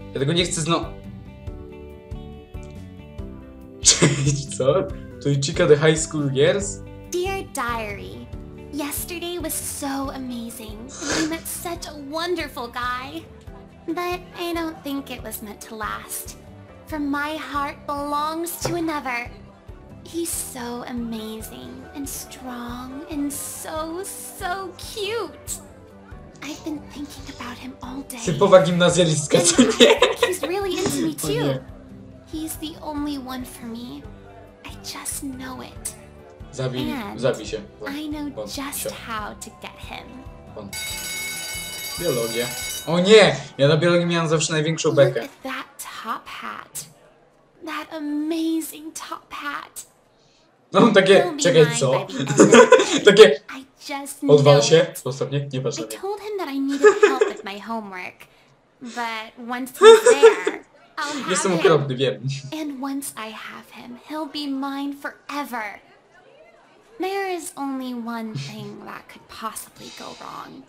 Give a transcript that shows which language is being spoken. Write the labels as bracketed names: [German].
[Polish] Ja tego nie chcę Cześć, co? To Ichika the High School Girls? [English] Dear Diary, yesterday was so amazing. You met such a wonderful guy. But I don't think it was meant to last. For my heart belongs to another. He's so amazing and strong and so, so cute. I've been thinking about him all day. [Polish] Typowa gimnazjalistka, co nie? [English] He's really into me too. He's the only one for me. I just know it. [Polish] Zabij się. [English] I know just how to get him. [Polish] Biologia. O nie! Ja na biologii miałam zawsze największą bekę. [English] Look at that top hat. That amazing top hat. [Polish] No takie, czekaj, co? Takie, odwal się, ostatnie, nie patrz na mnie. [English] I told him that I needed help with my homework, but once he's there, [Polish] jestem okropny, wiem. [English] And once I have him, he'll be mine forever. There is only one thing that could possibly go wrong.